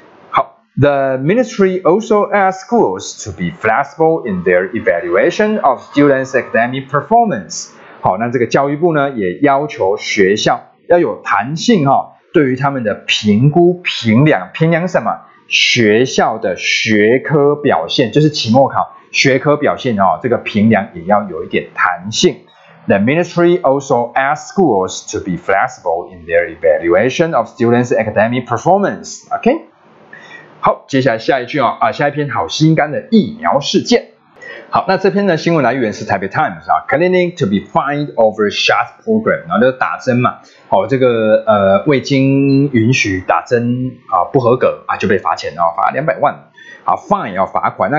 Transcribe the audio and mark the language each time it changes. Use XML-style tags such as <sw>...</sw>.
<zh>好，</zh> <en>the ministry also asked schools to be flexible in their evaluation of students' academic performance,</en> <zh>好，那这个教育部呢也要求学校要有弹性、哦，对于他们的评估评量，评量什么？学校的学科表现，就是期末考学科表现哦。这个评量也要有一点弹性。</zh> <en>The ministry also asked schools to be flexible in their evaluation of students' academic performance.</en> <zh>OK， 好，接下来下一句哦，啊，下一篇好心肝的疫苗事件。好，那这篇的新闻来源是台北 Times 啊 ，</zh> <en>Clinic to be fined over shot program，</en> <zh>然后就是打针嘛，好、哦，这个未经允许打针啊，不合格啊，就被罚钱哦，罚200万，啊 ，fine 要、哦、罚款。</zh>